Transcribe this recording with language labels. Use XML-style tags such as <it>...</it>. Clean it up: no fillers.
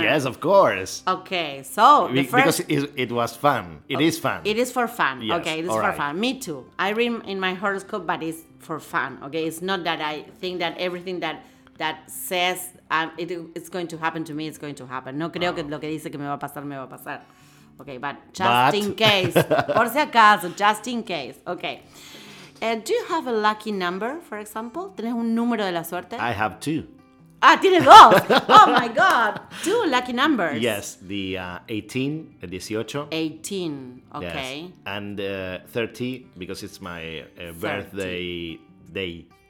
<en>Yes, of course. Okay, so because it was fun. It is fun. It is for fun. Yes, okay, it is for fun. Me too. I read in my horoscope, but it's for fun. Okay, it's not that I think that everything that says it's going to happen to me, it's going to happen.</en> <es>No creo que lo que dice que me va a pasar.</es> <en>Okay, but just in case.</en> <es>Por si acaso,</es> <en>just in case. Okay. Do you have a lucky number, for example?</en> <es>¿Tienes un número de la suerte?</es> <en>I have two.</en> <es>Ah, tienes dos.</es> <en>Oh, my God. Two lucky numbers. Yes, the 18, the 18. 18, okay. Yes. And 30, because it's my birthday day.</en>